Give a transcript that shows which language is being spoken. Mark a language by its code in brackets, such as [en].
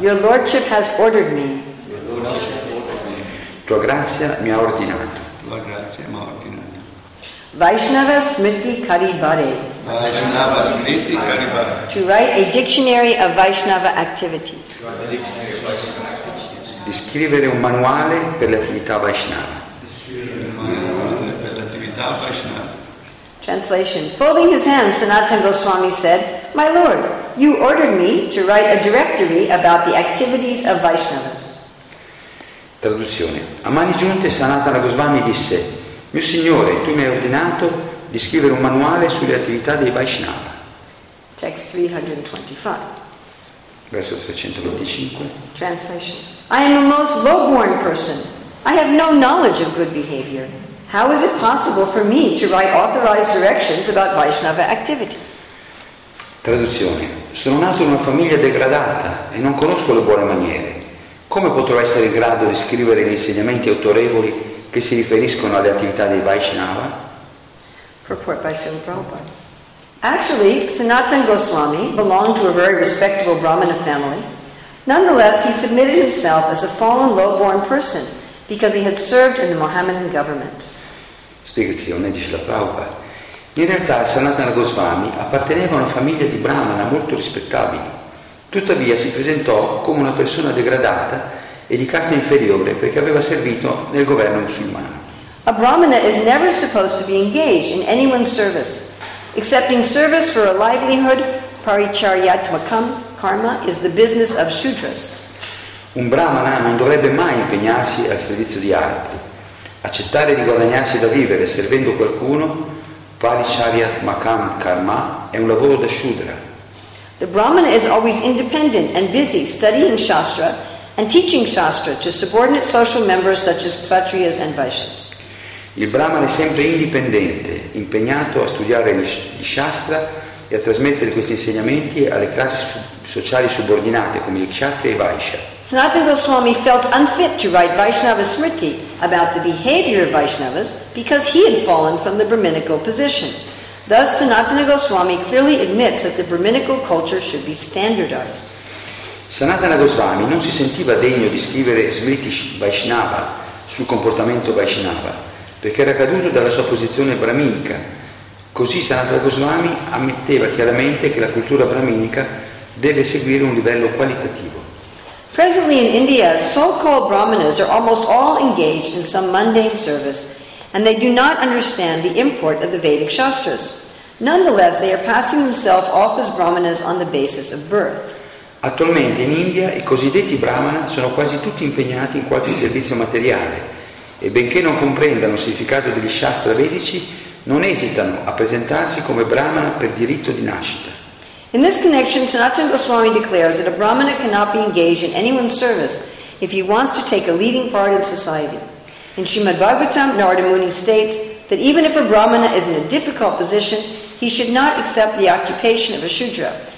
[en] Your Lordship has ordered me. Your Lordship has ordered me. [it] Tua grazia mi ha ordinato. Tua grazia mi ha ordinato. [bn] Vaishnava Smriti Karibare. Vaishnava Smriti Karibare. [en] To write a dictionary of Vaishnava activities. [it] Di scrivere un manuale per le attività Vaishnava. [en] Translation. Folding his hands, Sanatana Goswami said, My Lord, you ordered me to write a directory about the activities of Vaishnavas. [it] Traduzione. A mani giunte, Sanatana Goswami disse, Mio Signore, tu mi hai ordinato di scrivere un manuale sulle attività dei Vaishnava. [en] Text 325. [it] Verso 325. [en] Translation. I am a most low-born person. I have no knowledge of good behavior. How is it possible for me to write authorized directions about Vaishnava activities? [it] Traduzione. Sono nato in una famiglia degradata e non conosco le buone maniere. Come potrò essere in grado di scrivere gli insegnamenti autorevoli che si riferiscono alle attività dei Vaishnava? [en] Purport by Srila Prabhupada. Actually, Sanatan Goswami belonged to a very respectable Brahmana family. Nonetheless, he submitted himself as a fallen low-born person because he had served in the Mohammedan government. [it] Spiegazione, dice la Prabhupada. In realtà, Sanatana Goswami apparteneva a una famiglia di Brahmana molto rispettabili. Tuttavia, si presentò come una persona degradata e di casta inferiore perché aveva servito nel governo musulmano. [en] A Brahmana is never supposed to be engaged in anyone's service. Accepting service for a livelihood, paricharyatmakam, karma, is the business of shudras. [it] Un brahmana non dovrebbe mai impegnarsi al servizio di altri. Accettare di guadagnarsi da vivere servendo qualcuno, paricharyatmakam, karma, è un lavoro da shudra. [en] The brahmana is always independent and busy studying shastra and teaching shastra to subordinate social members such as kshatriyas and vaishyas. [it] Il Brahmana è sempre indipendente, impegnato a studiare gli Shastra e a trasmettere questi insegnamenti alle classi sociali subordinate come gli Kshatriya e i Vaishya. [en] Sanatan Goswami felt unfit to write Vaishnava Smriti about the behavior of Vaishnavas because he had fallen from the Brahminical position. Thus, Sanatana Goswami clearly admits that the Brahminical culture should be standardized. [it] Sanatana Goswami non si sentiva degno di scrivere Smriti Vaishnava sul comportamento Vaishnava, perché era caduto dalla sua posizione brahminica. Così Sanatana Goswami ammetteva chiaramente che la cultura brahminica deve seguire un livello qualitativo. [en] Presently in India, so-called brahmanas are almost all engaged in some mundane service and they do not understand the import of the Vedic shastras. Nonetheless, they are passing themselves off as brahmanas on the basis of birth. [it] Attualmente in India i cosiddetti brahmana sono quasi tutti impegnati in qualche servizio materiale e benché non comprendano il significato degli shastra vedici, non esitano a presentarsi come brahmana per diritto di nascita. [en] In this connection, Sanatana Goswami declares that a brahmana cannot be engaged in anyone's service if he wants to take a leading part in society. In Srimad Bhagavatam, Narada Muni states that even if a brahmana is in a difficult position, he should not accept the occupation of a shudra.